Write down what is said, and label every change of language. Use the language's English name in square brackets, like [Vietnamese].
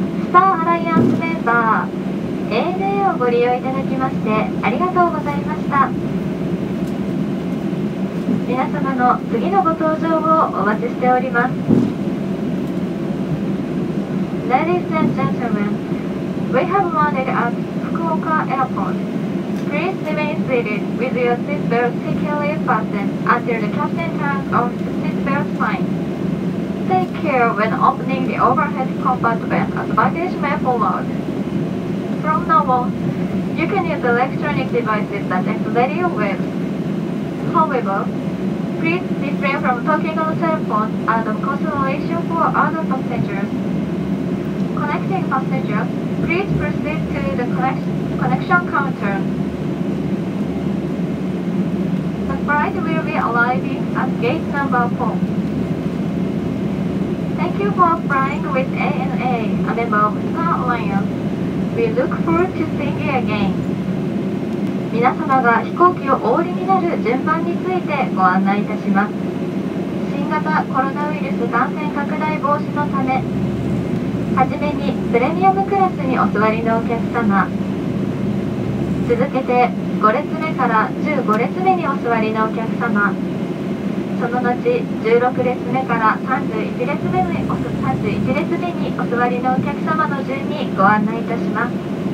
[Japanese] スターアライアンスメンバー ANA をご利用いただきましてありがとうございました。皆様の次のご搭乗をお待ちしております。 [English] Ladies and gentlemen, we have landed at Fukuoka AirportPlease remain seated with your seatbelt securely fastened until the captain turns off the seatbelt sign. Take care when opening the overhead compartment as baggage may fall out. From now on, you can use electronic devices such as radio waves. However, please refrain from talking on cell phones and of consideration for other passengers. Connecting passengers, please proceed to the connection counter. Flight will be arriving at gate number 4. Thank you for flying with ANA, a member of Star Alliance. We look forward to seeing you again. [Japanese] 皆様が飛行機をお降りになる順番についてご案内いたします。新型コロナウイルス感染拡大防止のため、はじめにプレミアムクラスにお座りのお客様、続けて5列目から15列目にお座りのお客様、その後16列目から31列目にお座りのお客様の順にご案内いたします。